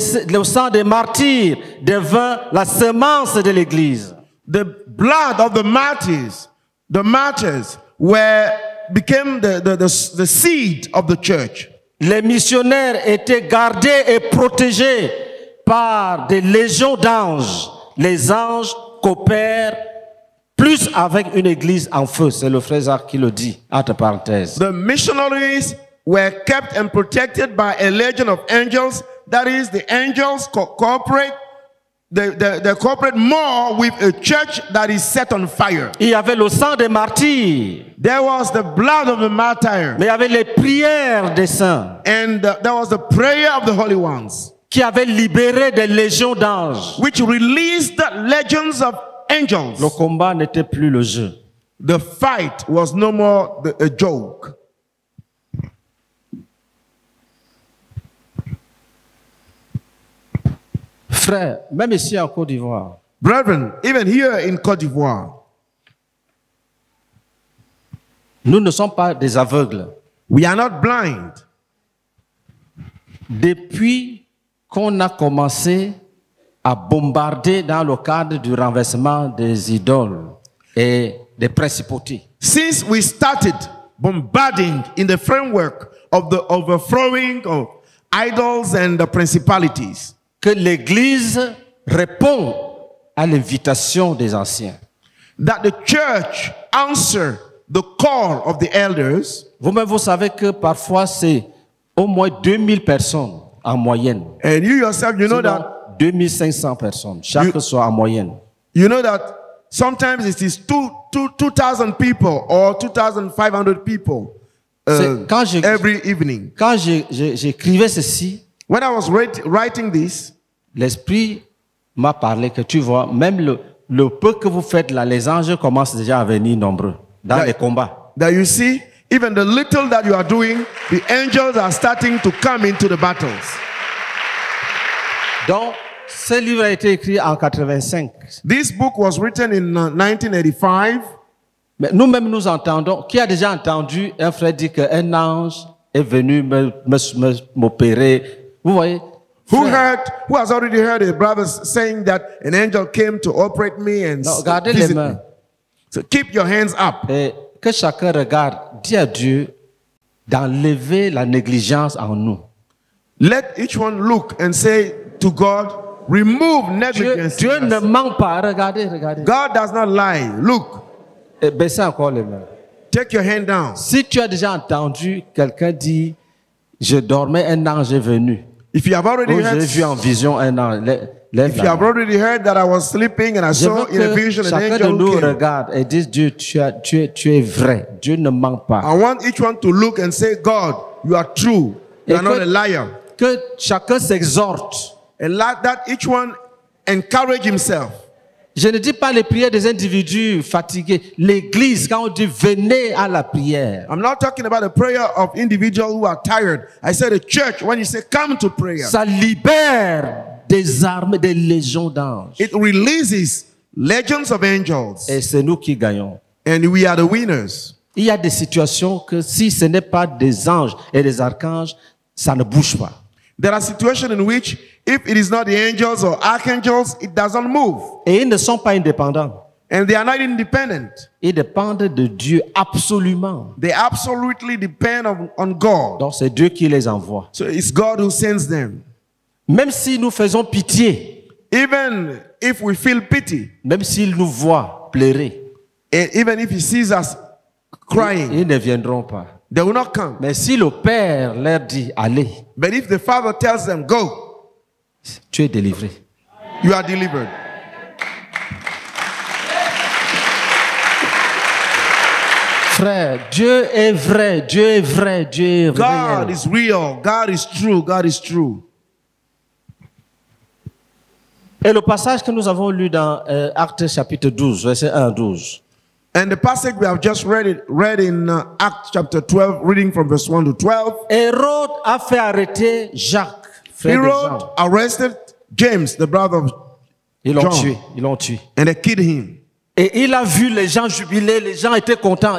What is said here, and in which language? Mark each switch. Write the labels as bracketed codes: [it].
[fr] Le sang des martyrs devint la semence de l'église. [en] The blood of the martyrs became the seed of the church. [fr] Les missionnaires étaient gardés et protégés par des légions d'anges. Les anges coopèrent plus avec une église en feu. C'est le frère Jacques qui le dit, entre parenthèses. [en] The missionaries were kept and protected by a legion of angels. That is, the angels cooperate more with a church that is set on fire. [fr] Il y avait le sang des martyrs. [en] There was the blood of the martyr. [fr] Mais il y avait les prières des saints. [en] And there was the prayer of the holy ones. [fr] Qui avait libéré des légions d'anges. [en] Which released the legions of angels. [fr] Le combat n'était plus le jeu. [en] The fight was no more a joke. [fr] Frères, même ici en Côte d'Ivoire. [en] Brethren, even here in Côte d'Ivoire. [fr] Nous ne sommes pas des aveugles. [en] We are not blind. [fr] Depuis qu'on a commencé à bombarder dans le cadre du renversement des idoles et des principautés. [en] Since we started bombarding in the framework of the overthrowing of idols and the principalities. [fr] Que l'Église répond à l'invitation des anciens. [en] That the church answer the call of the elders. [fr] Vous-même, vous savez que parfois c'est au moins 2000 personnes en moyenne. [en] And you yourself, you know that [fr] 2500 personnes chaque soir en moyenne. [en] You know that sometimes it is 2000 people or 2500 people every evening. [fr] Quand j'écrivais ceci. [en] When I was writing this, [fr] l'esprit m'a parlé que tu vois, même le peu que vous faites là, les anges commencent déjà à venir nombreux dans les combats. [en] That you see, even the little that you are doing, the angels are starting to come into the battles. [fr] Donc, ce livre a été écrit en 85. [en] This book was written in 1985. [fr] Mais nous-mêmes nous entendons. Qui a déjà entendu un frère dire qu'un ange est venu m'opérer? Vous voyez? [en] Who has already heard a brother saying that an angel came to operate me and visit me? [fr] Non, gardez les mains. [en] So keep your hands up. [fr] Et que chacun regarde, dis à Dieu d'enlever la négligence en nous. [en] Let each one look and say to God, remove negligence. [fr] Dieu ne ment pas. Regardez. [en] God does not lie. Look. [fr] Et baissez encore les mains. [en] Take your hand down. [fr] Si tu as déjà entendu quelqu'un dire, je dormais, un ange est venu. [en] If you have already heard, [fr] j'ai vu en vision un ange. [en] If you have already heard that I was sleeping and I saw in a vision an angel. [fr] Chacun de nous regarde et dit, Dieu, tu es vrai. Dieu ne ment pas. [en] I want each one to look and say, God, you are true. You are not a liar. [fr] Que chacun s'exhorte. [en] And let that each one encourage himself. [fr] Je ne dis pas les prières des individus fatigués. L'Église, quand on dit venez à la prière. [en] I'm not talking about the prayer of individuals who are tired. I said the church when you say come to prayer. [fr] Ça libère des armées, des légions d'anges. [en] It releases legions of angels. [fr] Et c'est nous qui gagnons. [en] And we are the winners. [fr] Il y a des situations que si ce n'est pas des anges et des archanges, ça ne bouge pas. [en] There are situations in which if it is not the angels or archangels, it doesn't move. [fr] Et ils ne sont pas indépendants. [en] And they are not independent. [fr] Ils dépendent de Dieu absolument. [en] They absolutely depend on God. [fr] Donc c'est Dieu qui les envoie. [en] So it's God who sends them. [fr] Même si nous faisons pitié. [en] Even if we feel pity. [fr] Même s'il nous voit pleurer. [en] And even if he sees us crying. [fr] Ils ne viendront pas. [en] They will not come. [fr] Mais si le Père leur dit allez. [en] But if the Father tells them go. [fr] Tu es délivré. [en] You are delivered. [fr] frères, Dieu est vrai, Dieu est vrai, Dieu est vrai. [en] God is real, God is true, God is true. [fr] Et le passage que nous avons lu dans Actes chapitre 12, verset 1 à 12. [en] And the passage we have just read in Acts chapter 12, reading from verse 1 to 12. [fr] Hérode a fait arrêter Jacques, frère de Jean. [en] Hérode arrested James, the brother of John. [fr] Ils l'ont tué. [en] And they killed him. [fr] Et il a vu les gens jubiler, les gens étaient contents.